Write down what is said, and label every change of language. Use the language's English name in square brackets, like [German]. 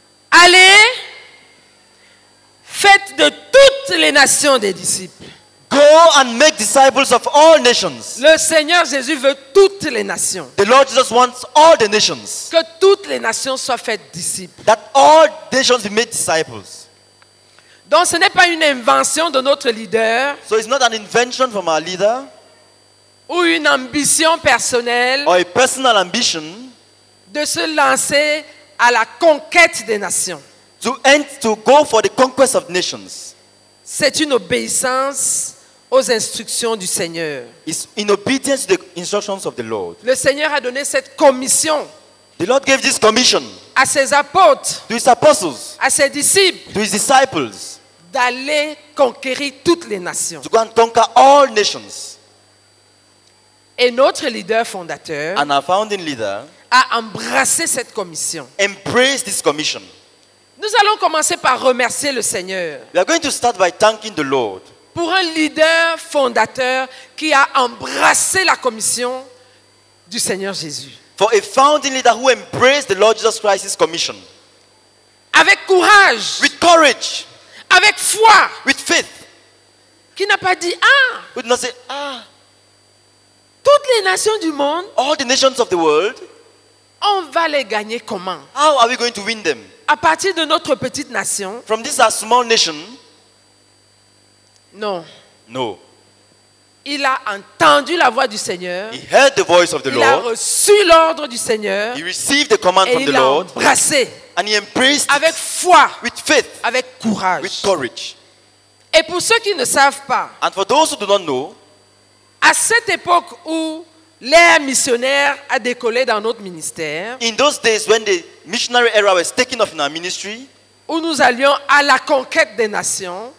[French] Allez, faites de toutes les nations des disciples. [English] Go and make disciples of all nations. [French] Le Seigneur Jésus veut toutes les nations. [English] The Lord Jesus wants all the nations. [French] Que toutes les nations soient faites disciples. [English] That all nations be made disciples. [French] Donc ce n'est pas une invention de notre leader. [English] So it's not an invention from our leader. [French] Ou une ambition personnelle. [English] Or a personal ambition. [French] De se lancer à la conquête des nations. [English] To go for the conquest of nations. [French] C'est une obéissance aux instructions du Seigneur. [English] It's in obedience to the instructions of the Lord. [French] Le Seigneur a donné cette commission. [English] The Lord gave this commission. [French] À ses apôtres. [English] To his apostles. [French] À ses disciples. [English] To his disciples. [French] D'aller conquérir toutes les nations. [English] To go and conquer all nations. [French] Et notre leader fondateur. [English] And our founding leader. [French] A embrassé cette commission. [English] Embraced this commission. [French] Nous allons commencer par remercier le Seigneur. [English] We are going to start by thanking the Lord. [French] Pour un leader fondateur qui a embrassé la commission du Seigneur Jésus. [English] For a founding leader who embraced the Lord Jesus Christ's commission. [French] Avec courage. [English] With courage. [French] Avec foi. [English] With faith. [French] Qui n'a pas dit ah? [English] Who did not say ah? [French] Toutes les nations du monde. [English] All the nations of the world. [French] On va les gagner comment? [English] How are we going to win them? [French] À partir de notre petite nation. [English] From this our small nation. [French] Non. [English] No. [French] Il a entendu la voix du Seigneur. [English] He heard the voice of the Lord. [French] Il a reçu l'ordre du Seigneur. [English] He received the command from the Lord. [French] Et il l'a embrassé. [English] And he embraced. [French] Avec foi. [English] With faith. [French] Avec courage. [English] With courage. [French] Et pour ceux qui ne savent pas. [English] And for those who do not know. [French] À cette époque où l'ère missionnaire a décollé dans notre ministère. [English] In those days when the missionary era was taking off in our ministry, [French] où nous allions à la conquête des nations,